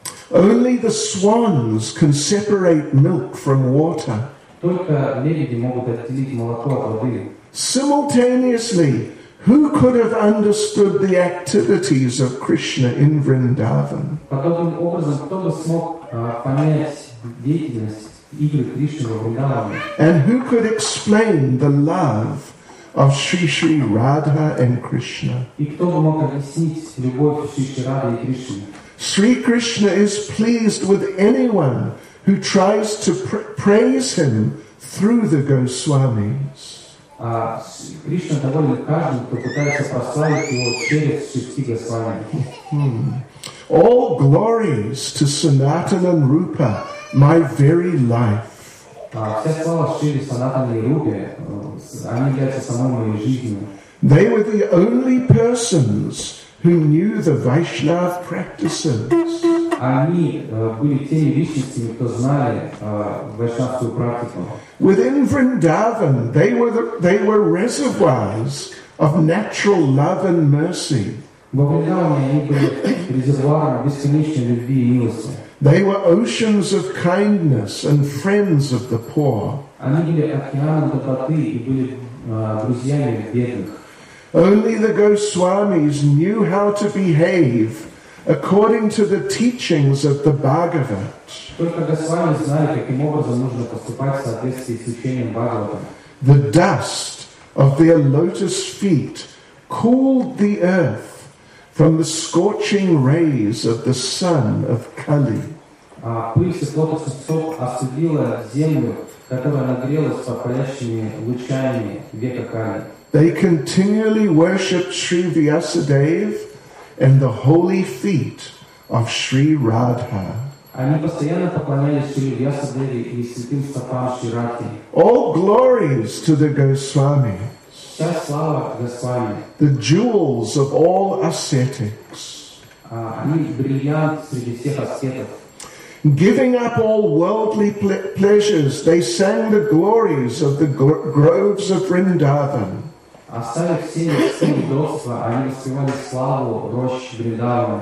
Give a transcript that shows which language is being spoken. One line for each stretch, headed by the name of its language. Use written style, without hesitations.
English: Only the swans can separate milk from water.
Russian: Только лебеди могут отделить молоко от воды.
English: Simultaneously, who could have understood the activities of Krishna in Vrindavan?
Russian: Подобным образом, кто бы смог понять деятельность игры Кришны во Вриндаване?
English: And who could explain the love of Sri Sri Radha and Krishna?
Russian: И кто бы мог объяснить любовь Sri Sri Radha и Кришны?
English: Sri Krishna is pleased with anyone who tries to praise him through the Goswamis.
Russian: Krishna доволен каждым, кто пытается прославить его через шести Госвами.
English: All glories to Sanatana and Rupa, my very life.
Russian: Вся слава Шри Санатане и Рупе, они являются самой моей жизнью.
English: They were the only persons who knew the Vaishnava practices.
Russian: Они были теми личностями, кто знали вайшнавскую практику.
English: Within Vrindavan, they were reservoirs of natural love and mercy.
Russian: Во Вриндаване они были резервуарами бесконечной любви и милости.
English: They were oceans of kindness and friends of the poor.
Russian: Они были океаном доброты и были друзьями бедных.
English: Only the Goswamis knew how to behave according to the teachings of the Bhagavat.
Russian: Только Госвами знали, каким образом нужно поступать в соответствии с учением Бхагавата.
English: The dust of their lotus feet cooled the earth from the scorching rays of the sun of Kali.
Russian: Пыль с лотосных стоп остудила землю которая нагрелась попалящими лучами Ветхакали.
English: They continually worshipped Sri Vyasadeva and the holy feet of Sri Radha.
Russian: Они постоянно поклонялись Шри Вьясадеве и святым стопам Шри Радхи.
English: All glories to the Госвами.
Russian: Вся слава Госвами.
English: The jewels of all ascetics.
Russian: Они бриллиант среди всех аскетов.
English: Giving up all worldly pleasures, they sang the glories of the groves of Vrindavan.
Russian: Оставив все удобства, они воспевали славу рощ Вриндаван.